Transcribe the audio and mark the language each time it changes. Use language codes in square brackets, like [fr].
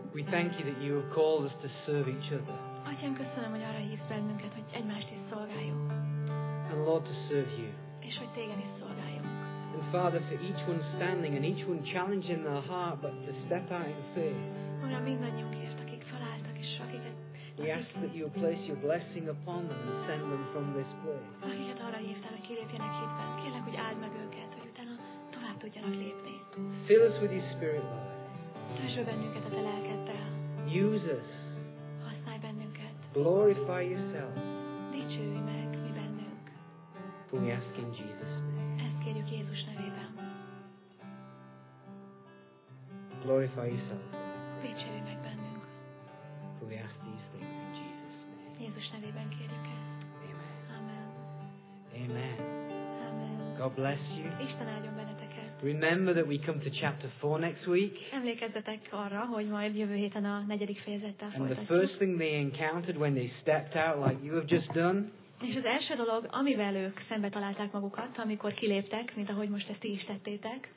[en] Thank you that you have called us to serve each other. [hu] Atyám, köszönöm, hogy arra hívsz bennünket, hogy egymást is szolgáljunk. [en] And Lord, to serve you. [hu] És hogy téged is szolgáljunk. [en] And Father, for each one standing and each one challenging their heart, but to step out in faith. [hu] Uram, mindannyiunkért, akik felálltak és akiket. [en] We ask that you place your blessing upon them and send them from this place. [hu] Akiket arra hívtál, hogy kilépjenek hitben, kérlek, hogy áld meg őket, hogy utána tovább tudjanak lépni. [en] Fill us with your spirit, Lord. [hu] Töltsd bennünket a te lelkeddel. [en] Use us. [hu] Használj bennünket. [en] Glorify yourself. [hu] Dicsőj meg mi bennünk. [en] We ask in Jesus' name. [hu] Ezt kérjük Jézus nevében. [en] Glorify yourself. [hu] Dicsőj meg bennünk. [en] We ask these things in Jesus' name. [hu] Jézus nevében kérjük ezt. Amen. Amen. [en] Amen. God bless you. [hu] Isten áldjon benneteket. [en] Remember that we come to chapter 4 next week. [hu] Emlékezzetek arra, hogy majd jövő héten a negyedik fejezettel folytatjuk. [en] And the first thing they encountered when they stepped out like you have just done. [hu] És az első dolog, amivel ők szembe találták magukat, amikor kiléptek, mint ahogy most ezt ti is tettétek.